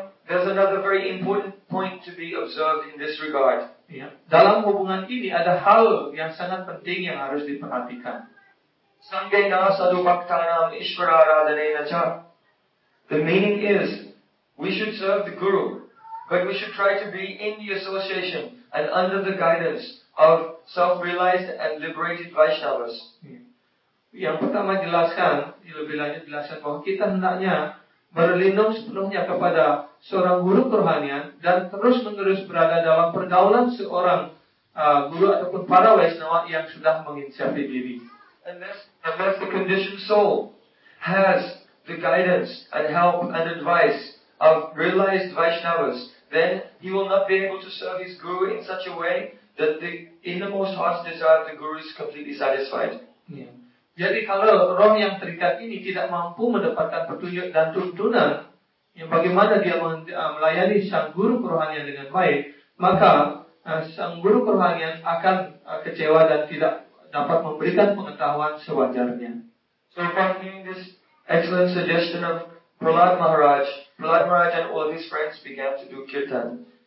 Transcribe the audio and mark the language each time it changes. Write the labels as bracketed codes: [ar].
[en] There's another very important point to be observed in this regard. [id] Ya, dalam hubungan ini ada hal yang sangat penting yang harus diperhatikan. [sa] Sangena sadu bhaktanam ishvara radhanena cha. [en] The meaning is, we should serve the Guru, but we should try to be in the association and under the guidance of self-realized and liberated Vaishnavas. [id] Yang pertama jelaskan, lebih lanjut jelaskan bahwa kita hendaknya berlindung sepenuhnya kepada seorang guru kerohanian dan terus-menerus berada dalam pergaulan seorang guru ataupun para Vaishnava yang sudah menginisiasi diri. [en] Unless the conditioned soul has the guidance and help and advice of realized Vaishnavas, then he will not be able to serve his guru in such a way that the innermost heart's desire of the guru is completely satisfied. Yeah. [id] Jadi kalau roh yang terikat ini tidak mampu mendapatkan petunjuk dan tuntunan yang bagaimana dia melayani sang guru kerohanian dengan baik, maka sang guru kerohanian akan kecewa dan tidak dapat memberikan pengetahuan sewajarnya. [en] So following this excellent suggestion of Prahlad Maharaj, Prahlad Maharaj and all his friends began to do kirtan.